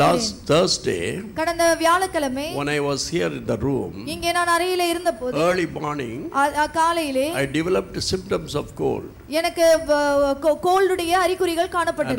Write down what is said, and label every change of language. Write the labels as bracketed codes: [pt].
[en] Last Thursday, [ta] கடந்த வியாழக்கிழமை, [en] when I was here in the room, [ta] இங்கே நான் அறையில் இருந்தபோது, [en] early morning, [ta] காலையிலே, [en] I developed symptoms of cold. [ta] எனக்கு கோல்டுடைய அறிகுறிகள் காணப்பட்டது.